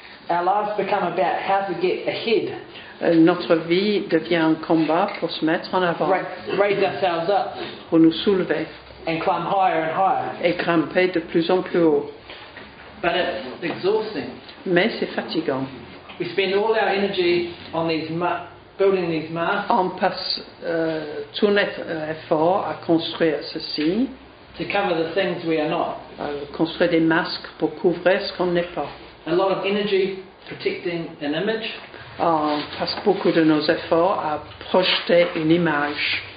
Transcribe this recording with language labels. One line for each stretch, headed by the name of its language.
English: Our lives become about how to get ahead.
French: Notre vie devient un combat pour se mettre en avant.
English: Raise ourselves up.
French: Pour nous soulever.
English: And climb higher and higher.
French: Et grimper de plus en plus haut.
English: But it's exhausting.
French: Mais c'est fatigant.
English: We spend all our energy on these building these masks.
French: On passe tout notre effort à construire ceci.
English: To cover the things we are not.
French: Construire des masques pour couvrir ce qu'on n'est pas.
English: A lot of energy protecting an image.
French: On passe beaucoup de nos efforts à projeter une image.